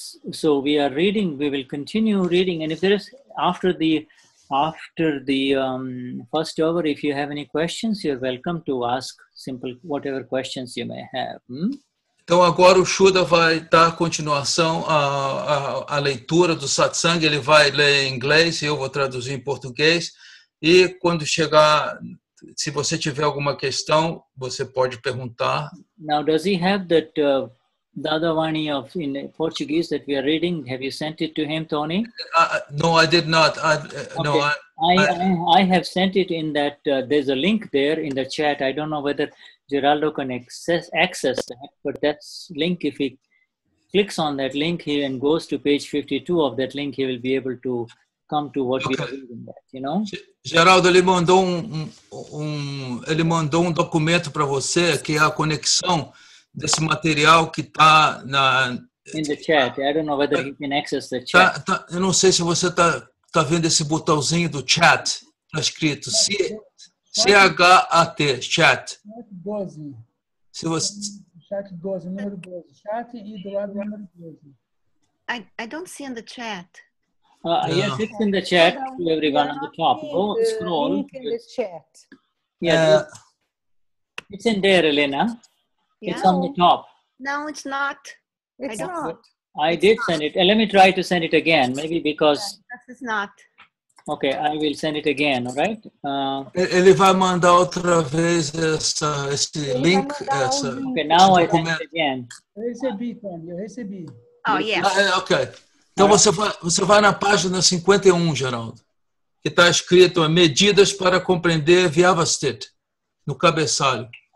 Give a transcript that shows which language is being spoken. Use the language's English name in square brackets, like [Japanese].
[English] So we are reading, we will continue reading, and if there is after the first hour, if you have any questions, you are welcome to ask simple whatever questions you may have. [Portuguese] Então agora o Shuddha vai dar continuação à leitura do satsang. Ele vai ler em inglês e eu vou traduzir em português. E quando chegar, se você tiver alguma questão, você pode perguntar. [English] Now, does he have that Dadavani of in Portuguese that we are reading? Have you sent it to him, Tony? No, I did not. I have sent it in that. There's a link there in the chat. I don't know whether Geraldo can access that, but that's link. If he clicks on that link here and goes to page 52 of that link, he will be able to come to what okay. We are reading. That, you know. [Portuguese] Geraldo, ele mandou um documento para você que é a conexão desse material que está na. [English] In the chat. I don't know whether he can access the chat. [Portuguese] Eu não sei se você está vendo esse botãozinho do chat. Está escrito C-H-A-T, chat. Chat 12. Se você... Chat 12, número 12. Chat e do lado número 12. [English] I don't see in the chat. Yes, it's in the chat, to everyone on the top. Go scroll. Link in the chat. Yeah. It's in there, Elena. Yeah. It's on the top. No, it's not. It's not. I did send it. Let me try to send it again, maybe because... Yeah, this is not. Okay, I will send it again, all right? [Portuguese] Ele vai mandar outra vez essa, esse link. Essa. [English] Okay, now I send it again. [Portuguese] Recebi, Tony, recebi. [English] Oh, yes. Ok. [Portuguese] Então você vai na página 51, Geraldo, que está escrito Medidas para compreender Vyavasthita, no cabeçalho.